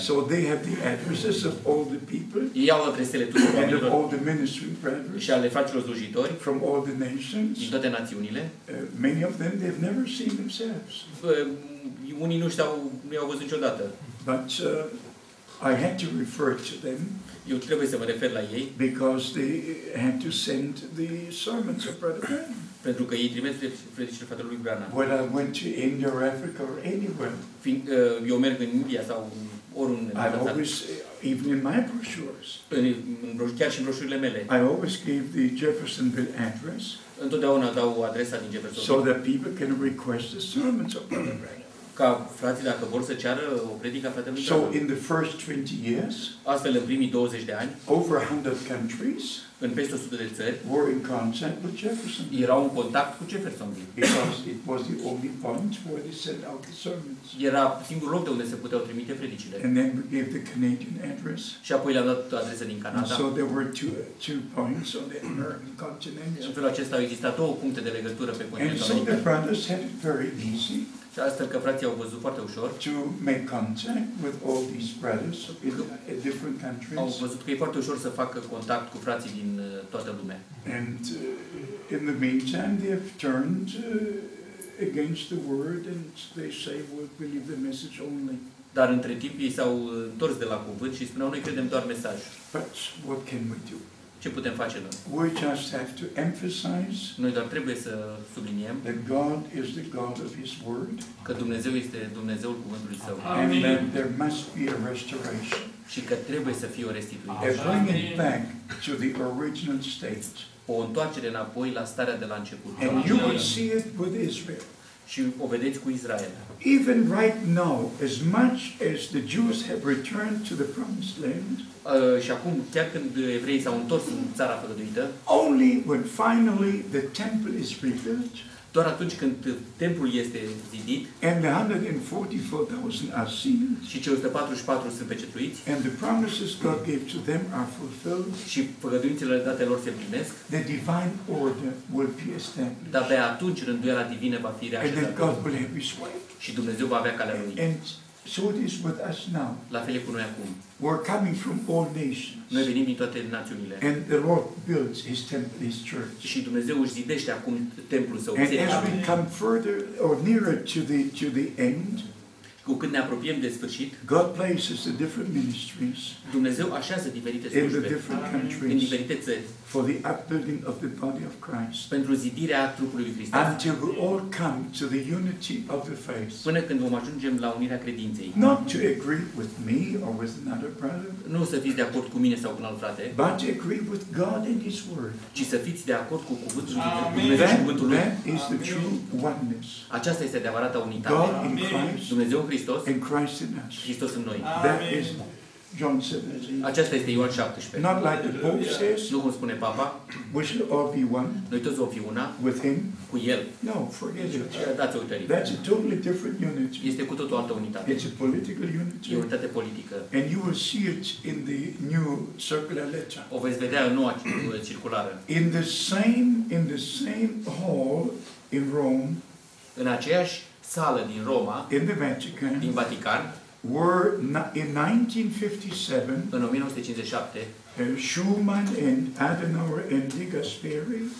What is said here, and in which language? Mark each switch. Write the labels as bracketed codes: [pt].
[en] So they have the addresses of all the people. [ro] Ei au adresele tuturor oamenilor. [en] And all the ministry brothers. [ro] Și ale fraților slujitori. [en] From all the nations. [ro] Din toate națiunile. [en] Many of them they've never seen themselves. [ro] Unii nu i-au văzut niciodată. [en] But I had to refer to them. [ro] Eu trebuie să mă refer la ei. [en] Because they had to send the sermons of Brother Branham. [ro] Pentru că ei trimesc predicile fratelui Branham. [en] When I went to India or Africa or anywhere. [ro] Eu merg în India sau oriunde. [en] I always, even in my brochures. [ro] Chiar și în broșurile mele. [en] I always gave the Jeffersonville address. [ro] Întotdeauna dau adresa din Jeffersonville. [en] So that people can request the sermons of Brother Branham. [ro] Ca frații dacă vor să ceară o predică a fratelui. [en] So in the first 20 years, [ro] astfel în primii 20 de ani, [en] over 100 countries, [ro] în peste 100 de țări, [en] were in contact with Jefferson. [ro] Erau în contact cu Jeffersonville. [en] It was the only point where they sent out the sermons. [ro] Era singurul loc de unde se puteau trimite predicile. [en] And then we gave the Canadian address. [ro] Și apoi le-am dat adresa din Canada. [en] So there were two points on the American continent. [ro] În felul acesta au existat două puncte de legătură pe continentul american. [en] And so the brothers had it very easy. [ro] Și astfel că frații au văzut foarte ușor. [en] To make contact with all these brothers in different countries. [ro] Au văzut că e foarte ușor să facă contact cu frații din toată lumea. [en] And in the meantime, they have turned against the word and they say we believe the message only. [ro] Dar între timp ei s-au întors de la cuvânt și spuneau noi credem doar mesajul. [en] But what can we do? [ro] Ce putem face noi? [en] We just have to emphasize. [ro] Noi doar trebuie să subliniem. [en] That God is the God of His Word. [ro] Că Dumnezeu este Dumnezeul cuvântului Său. [en] And that there must be a restoration. [ro] Și că trebuie să fie o restituire. [en] A bringing back to the original state. [ro] O întoarcere înapoi la starea de la început. [en] And you will see it with Israel. [ro] Și o vedeți cu Israel. [en] Even right now, as much as the Jews have returned to the promised land, [ro] și acum chiar când evreii s-au întors în țara făgăduită, [en] only when finally the temple is rebuilt, [ro] doar atunci când templul este zidit, [en] and the 144,000 are sealed, [ro] și cei 144 sunt pecetuiți, [en] and the promises God gave to them are fulfilled, [ro] și făgăduințele date lor se împlinesc, [en] the divine order will be established. [ro] Dar abia atunci rânduiala divină va fi reașezată. [en] And then God will have His way. [ro] Și Dumnezeu va avea calea lui. [en] And so it is with us now. [ro] La fel e cu noi acum. [en] We're coming from all nations. [ro] Noi venim din toate națiunile. [en] And the Lord builds His temple, His church. [ro] Și Dumnezeu își zidește acum templul Său. [en] And as we come further or nearer to the end, [ro] cu cât ne apropiem de sfârșit, [en] God places the different ministries. [ro] Dumnezeu așează diferite slujbe [en] in the different countries, [ro] în diferite țări, [en] for the upbuilding of the body of Christ. [ro] Pentru zidirea trupului lui Hristos. [en] Until we all come to the unity of the faith. [ro] Până când vom ajunge la unirea credinței. [en] Not to agree with me or with another brother. [ro] Nu să fiți de acord cu mine sau cu un alt frate. [en] But to agree with God and His Word. [ro] Ci să fiți de acord cu cuvântul lui Dumnezeu și cuvântul lui. [en] That is the true oneness. [ro] Aceasta este adevărata unitate. [en] God in Christ. [ro] Dumnezeu în Hristos. [en] And Christ in us. [ro] Hristos în noi. [en] That is John 17. [ro] Aceasta este Ioan 17. [en] Not like the Pope says. [ro] Nu cum spune Papa. [en] We shall all be one. [ro] Noi toți vom fi una. [en] With Him. [ro] Cu El. [en] No, forget it. [ro] Dați-o uitării. [en] That's a totally different unity. [ro] Este cu totul altă unitate. [en] It's a political unity. [ro] E unitate politică. [en] And you will see it in the new circular letter. [ro] O veți vedea în noua circulară. [en] In the same hall in Rome. [ro] În aceeași sală din Roma. [en] In the Vatican. [ro] Din Vatican. [en] Were in 1957, Schumann and Adenauer and De Gasperi.